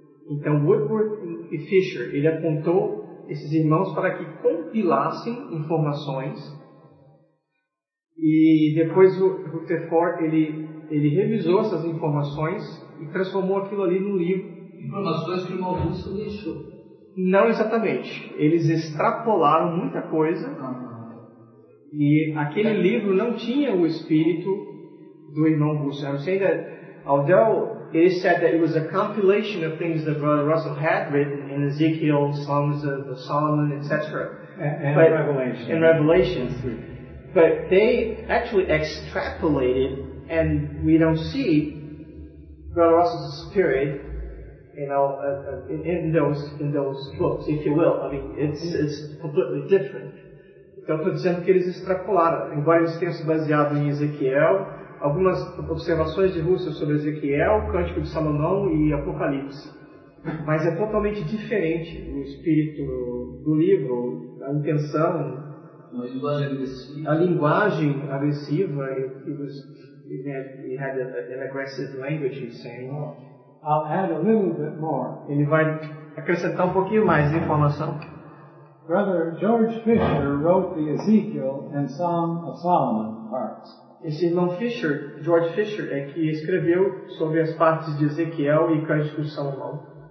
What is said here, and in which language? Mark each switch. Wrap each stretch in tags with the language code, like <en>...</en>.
<pt>Então, Woodward e Fisher, ele apontou esses irmãos para que compilassem informações e depois o Rutherford, ele revisou essas informações e transformou aquilo ali num livro. Informações que o Maurício deixou. Não exatamente. Eles extrapolaram muita coisa. E aquele livro não tinha o espírito do irmão Russell.</pt> <en>I'm saying that although it is said that it was a compilation of things that Brother Russell had written in Ezekiel, Songs of Solomon, etc. And Revelations. But they actually extrapolated, and we don't see Brother Russell's spirit, you know, in those books, if you will. I mean, it's completely different.</en> <pt>Então, estou dizendo que eles extrapolaram. Embora eles tenham se baseado em Ezequiel, algumas observações de Russell sobre Ezequiel, Cântico de Salomão e Apocalipse. Mas é totalmente diferente o espírito do livro, a intenção, uma linguagem agressiva. A linguagem agressiva.</pt> <en>He had an aggressive language, he's saying. I'll add a little bit more.</en> <pt>Ele vai acrescentar um pouquinho mais de informação.</pt> <en>Brother George Fisher wrote the Ezekiel and Song of Solomon parts.</en> <pt>Esse irmão Fisher, George Fisher, é que escreveu sobre as partes de Ezequiel e Cântico de Salomão.</pt>